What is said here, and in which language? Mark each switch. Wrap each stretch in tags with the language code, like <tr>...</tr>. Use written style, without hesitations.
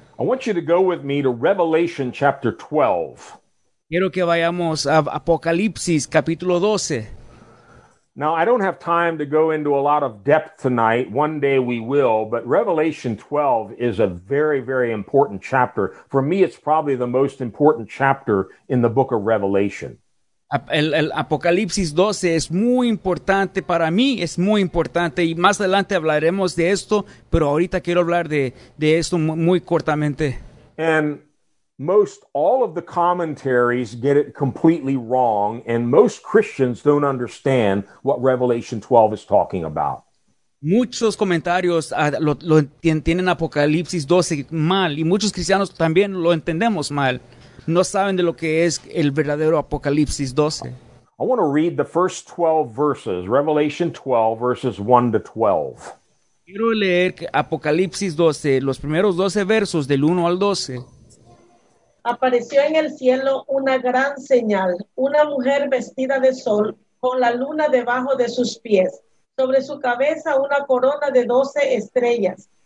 <en>I want you to go with me to Revelation chapter 12.</en> <es>Quiero que vayamos a Apocalipsis capítulo 12.</es> <en>Now, I don't have time to go into a lot of depth tonight. One day we will, but Revelation 12 is a very, very important chapter. For me, it's probably the most important chapter in the book of Revelation.</en> <es>El Apocalipsis 12 es muy importante para mí, es muy importante, y más adelante hablaremos de esto, pero ahorita quiero hablar de esto muy cortamente.</es> <en>And most all of the commentaries get it completely wrong, and most Christians don't understand what Revelation 12 is talking about.</en> <es>Muchos comentarios tienen Apocalipsis 12 mal, y muchos cristianos también lo entendemos mal. No saben de lo que es el verdadero Apocalipsis 12.</es> <en>I want to read the first 12 verses, Revelation 12, verses 1 to 12.</en> <es>Quiero leer Apocalipsis 12, los primeros 12 versos del 1 al 12. Apareció en el cielo una gran señal, una mujer vestida de sol, con la luna debajo de sus pies. Sobre su cabeza una corona de 12 estrellas.</es>